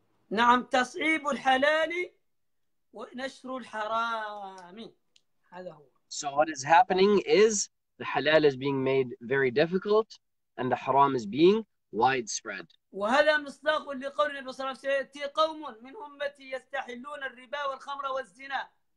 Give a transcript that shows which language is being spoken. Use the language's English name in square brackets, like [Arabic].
[Arabic] نعم تصعيب الحلال ونشر الحرام هذا هو. [English] So what is happening is the halal is being made very difficult and the haram is being widespread. [Arabic] وهذا مصداق لقول النبي صلى الله عليه وسلم سيأتي قوم من أمتي يستحلون الربا والخمر والزنا.